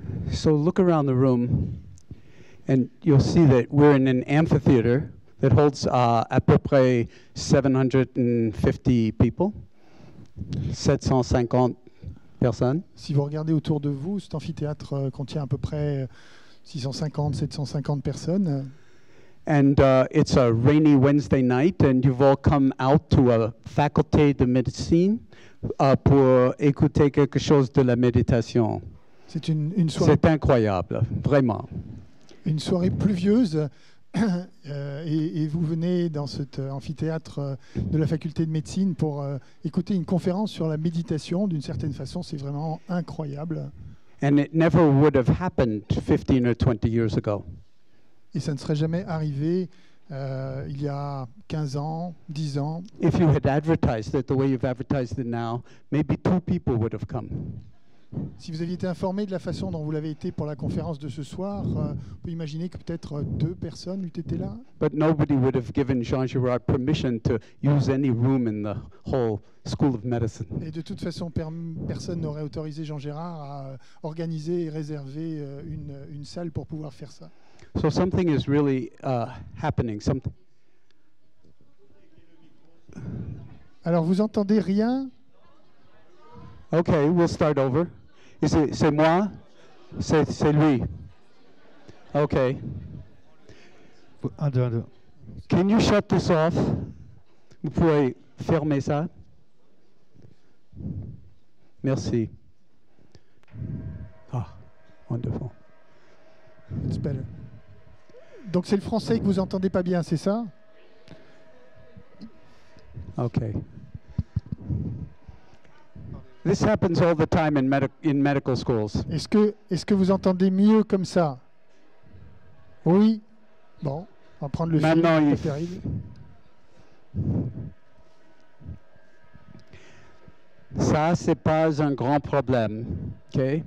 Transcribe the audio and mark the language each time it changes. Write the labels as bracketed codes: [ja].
[en] So look around the room, and you'll see that we're in an amphitheater that holds [fr] à peu près [en] 750 people, 750 [fr] personnes. Si vous regardez autour de vous, cet amphithéâtre contient à peu près 650, 750 personnes. [en] And it's a rainy Wednesday night, and you've all come out to a [fr] faculté de médecine pour écouter quelque chose de la méditation. C'est une soirée. C'est incroyable, vraiment. Une soirée pluvieuse. Et vous venez dans cet amphithéâtre de la faculté de médecine pour écouter une conférence sur la méditation. D'une certaine façon, c'est vraiment incroyable. [en] And it never would have happened 15 or 20 years ago. [fr] Et ça ne serait jamais arrivé il y a 15 ans, 10 ans. [en] If you had advertised it the way you've advertised it now, maybe two people would have come. [fr] Si vous aviez été informé de la façon dont vous l'avez été pour la conférence de ce soir, on peut imaginer que peut-être deux personnes eût été là. [en] But nobody would have given Jean Girard permission to use any room in the whole School of Medicine. [fr] Et de toute façon, personne n'aurait autorisé Jean Girard à organiser et réserver une salle pour pouvoir faire ça. [en] So something is really happening. [fr] Alors, vous entendez rien? [en] Okay, we'll start over. Is it, [fr] c'est moi? C'est lui. [en] Okay. [fr] Un deux. [en] Can you shut this off? [fr] Vous pouvez fermer ça? Merci. [en] Ah, wonderful. It's better. [fr] Donc c'est le français que vous entendez pas bien, c'est ça? [en] Okay. This happens all the time in medical schools. [fr] Est-ce que vous entendez mieux comme ça? Oui. Bon, on va prendre le fil. Maintenant, c'est terrible. Ça, c'est pas un grand problème, ok?